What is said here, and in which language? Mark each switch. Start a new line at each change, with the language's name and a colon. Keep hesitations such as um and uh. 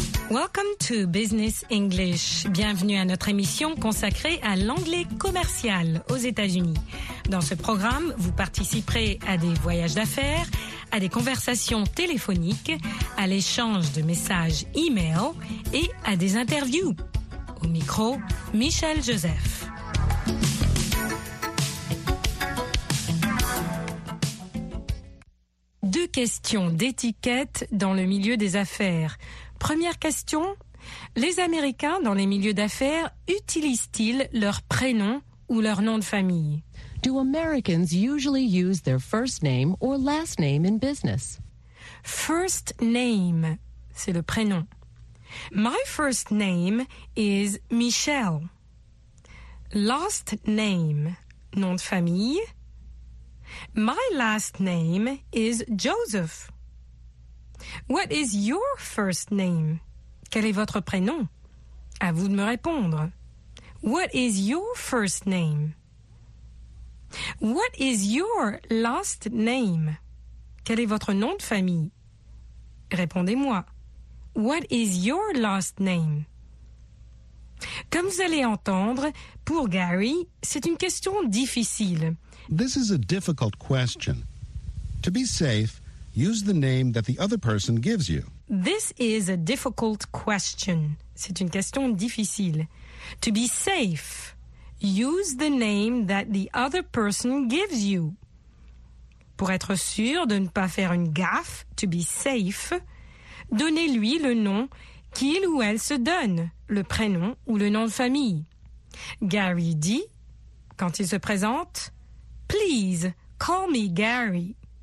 English: Welcome to Business English.
French: Bienvenue à notre émission consacrée à l'anglais commercial aux États-Unis. Dans ce programme, vous participerez à des voyages d'affaires, à des conversations téléphoniques, à l'échange de messages e-mail et à des interviews. Au micro, Michel Joseph. Deux questions d'étiquette dans le milieu des affaires. Première question, les Américains dans les milieux d'affaires utilisent-ils leur prénom ou leur nom de famille
English: Do Americans usually use their first name or last name in business? First name,
French: c'est le prénom.
English: My first name is Michelle. Last name,
French: nom de famille.
English: My last name is Joseph. What is your first name?
French: Quel est votre prénom? À vous de me répondre.
English: What is your first name? What is your last name?
French: Quel est votre nom de famille? Répondez-moi.
English: What is your last name?
French: Comme vous allez entendre, pour Gary, c'est une question difficile.
English: This is a difficult question. To be safe, use the name that the other person gives you. This is a difficult question.
French: C'est une question difficile.
English: To be safe, use the name that the other person gives you.
French: Pour être sûr de ne pas faire une gaffe,
English: to be safe,
French: donnez-lui le nom qu'il ou elle se donne, le prénom ou le nom de famille. Gary dit, quand il se présente,
English: Please call me Gary.